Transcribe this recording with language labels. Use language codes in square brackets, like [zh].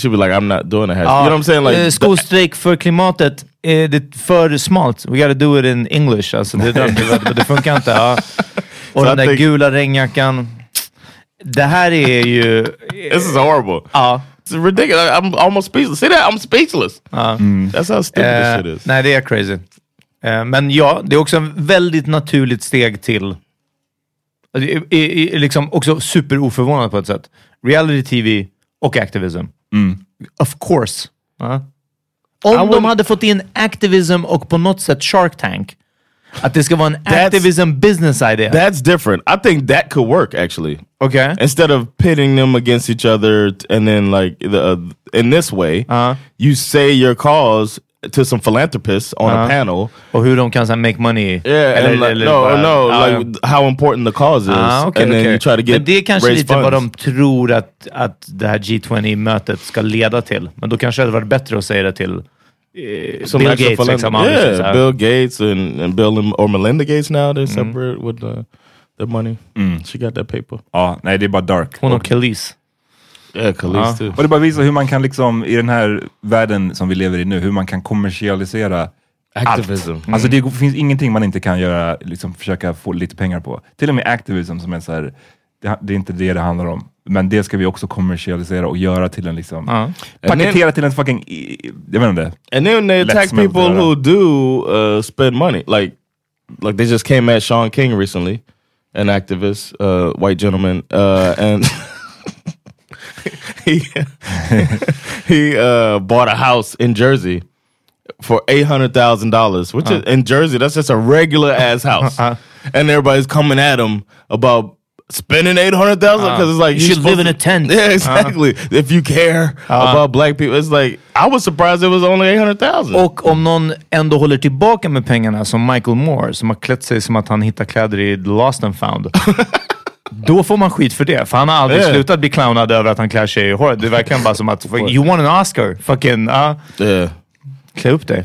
[en] She'd be like, I'm not doing a hashtag. You know what I'm saying? Like school strike for [sv] klimatet. Det är för smalt. [en] We gotta do it in English. [sv] Alltså, det funkar inte. Ja. Och den där gula regnjackan. Det här är ju... [en] This is horrible. [sv] Ja. [en] It's ridiculous. I'm almost speechless. See that? I'm speechless. [sv] Ja. [en] That's how stupid this shit is. [sv] Nej, det är crazy. Men ja, det är också en väldigt naturligt steg till... liksom också super oförvånad på ett sätt. Reality TV och activism. Mm. [en] Of course. Ja. [sv] Om de hade fått in activism och på något sätt Shark Tank. Att det ska vara en [en] activism business idea. That's different. I think that could work, actually. Okay. Instead of pitting them against each other and then, like, in this way, you say your cause to some philanthropists on a panel. Or who don't count as make money. Yeah, and like, no. Like, how important the cause is. Okay, and then you try to get raised funds. [sv] Men det är kanske lite vad de tror att det här G20-mötet ska leda till. Men då kanske det hade varit bättre att säga det till... [en] Some Bill Gates, Bill Gates and Bill or Melinda Gates now they're separate with the money. Mm. She got that paper. [sv] Ah, nej, det är bara dark. Hon och Khalees. Ja, Khalees too. Och det bara visar hur man kan liksom i den här världen som vi lever i nu, hur man kan kommersialisera activism. Allt. Alltså det finns ingenting man inte kan göra, liksom försöka få lite pengar på. Till och med activism som är så här, det är inte det handlar om. Men det ska vi också kommersialisera och göra till en liksom paketera till en fucking jag vet inte. [en] And then they attack people who do spend money, like they just came at Sean King recently, an activist, white gentleman, and he bought a house in Jersey for $800,000, which is in Jersey, that's just a regular ass house, and everybody's coming at him about spending $800,000 because it's like you should live in a tent. Yeah, exactly. If you care about black people, it's like I was surprised it was only $800,000. [sv] Och om någon ändå håller tillbaka med pengarna, som Michael Moore, som har klätt sig som att han hittar kläder i The Lost and Found, då får man skit för det. För han har aldrig slutat bli clownad över att han klär sig i hår. Det verkar bara som att [en] you want an Oscar, [sv] fucking klä upp dig.